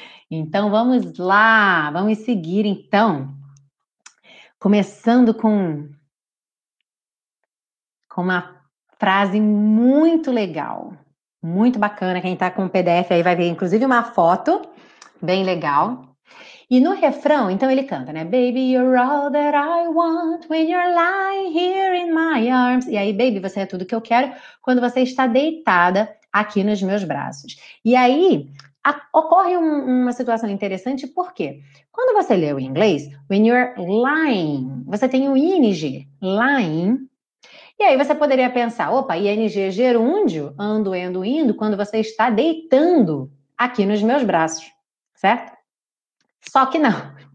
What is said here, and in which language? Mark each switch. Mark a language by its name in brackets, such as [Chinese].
[Portuguese] Então, vamos lá. Vamos seguir, então. Começando com uma frase muito legal. Muito bacana, quem tá com o PDF aí vai ver, inclusive, uma foto, bem legal. E no refrão, então ele canta, né? [English] Baby, you're all that I want when you're lying here in my arms. [Portuguese] E aí, baby, você é tudo que eu quero quando você está deitada aqui nos meus braços. E aí, ocorre uma situação interessante, por quê? Quando você lê o inglês, [English] when you're lying, [Portuguese] você tem o ing, lying. E aí você poderia pensar, opa, ING gerúndio, ando, endo, indo, quando você está deitando aqui nos meus braços, certo? Só que não.